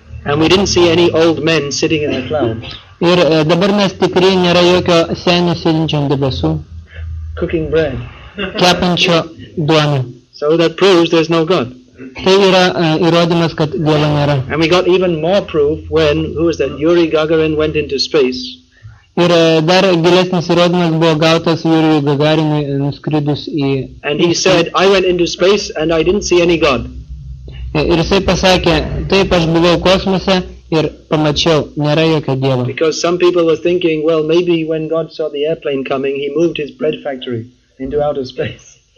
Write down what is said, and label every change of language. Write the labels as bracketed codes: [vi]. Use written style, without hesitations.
[en] And we didn't see any old men sitting in the clouds. [lt] Ir dabar mes tikrai nėra jokio senio sėdinčio ant debesų. [en] Cooking bread. [lt] Kepančio duoną. [en] So that proves there's no God. [lt] Tai yra įrodymas, kad Dievo nėra. [en] And we got even more proof when, who was that, Yuri Gagarin went into space. [lt] Ir dar gilesnis įrodymas buvo gautas Jurijui Gagarinui nuskridus į... [en] And he said, I went into space and I didn't see any God. [lt] Ir jisai pasakė, taip aš buvau kosmose ir pamačiau, nėra jokio Dievo. [en] Because some people were thinking, well, maybe when God saw the airplane coming, he moved his bread factory into outer space.